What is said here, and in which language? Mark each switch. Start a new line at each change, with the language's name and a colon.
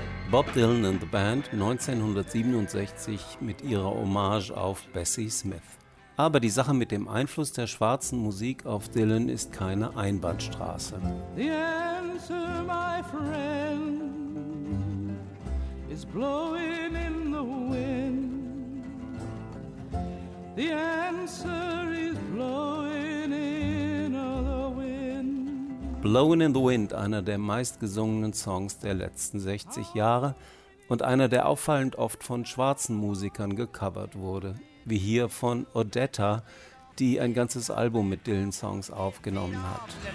German: Bob Dylan and the Band 1967 mit ihrer Hommage auf Bessie Smith. Aber die Sache mit dem Einfluss der schwarzen Musik auf Dylan ist keine Einbahnstraße.
English: The answer, my friend, is blowing in the wind. The answer is blowing in the wind.
German: Blowing in the Wind, einer der meistgesungenen Songs der letzten 60 Jahre und einer, der auffallend oft von schwarzen Musikern gecovert wurde, wie hier von Odetta, die ein ganzes Album mit Dylan-Songs aufgenommen hat.